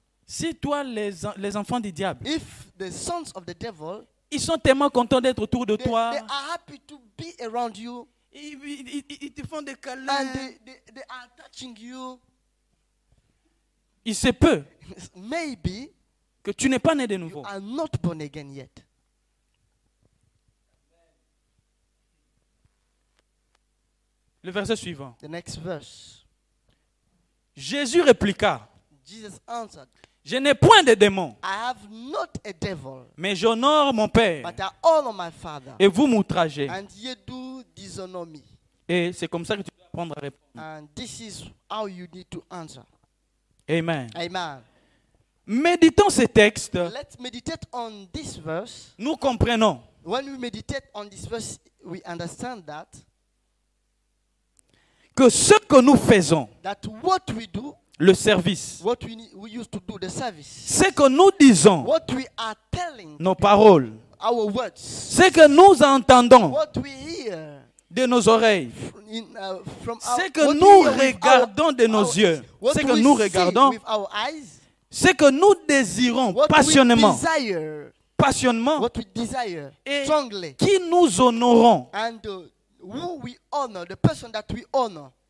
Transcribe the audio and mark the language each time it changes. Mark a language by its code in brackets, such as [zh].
[fr] Si toi les enfants du diable, [en] if the sons of the devil, [fr] ils sont tellement contents d'être autour de toi. [en] They are happy to be around you. [fr] Ils te font des câlins. [en] They are touching you. [fr] Il se peut [en] maybe [fr] que tu n'es pas né de nouveau. [en] You are not born again yet. [fr] Le verset suivant. [en] The next verse. [fr] Jésus répliqua. [en] Jesus answered. [fr] Je n'ai point de démon. [en] I have not a devil. [fr] Mais j'honore mon père. [en] But I honor my father. [fr] Et vous m'outragez. [en] And you do dishonor me. [fr] Et c'est comme ça que tu dois apprendre à répondre. [en] And this is how you need to answer. Amen. Amen. [fr] Méditons ces textes. [en] Let's meditate on this verse. [fr] Nous comprenons. [en] When we meditate on this verse, we understand that [fr] que ce que nous faisons, [en] that what we do, [fr] le service, [en] what we used to do, the service, [fr] ce que nous disons, [en] what we are telling, [fr] nos paroles, [en] our words, [fr] ce que nous entendons, [en] what we hear, [fr] de nos oreilles, [en] from [fr] ce que nous regardons de nos yeux, ce que nous regardons, ce que nous désirons passionnément, passionnement, [en] what we desire, [fr] et [en] strongly, [fr] qui nous honorons. [en] And, who we honor, the person that we honor,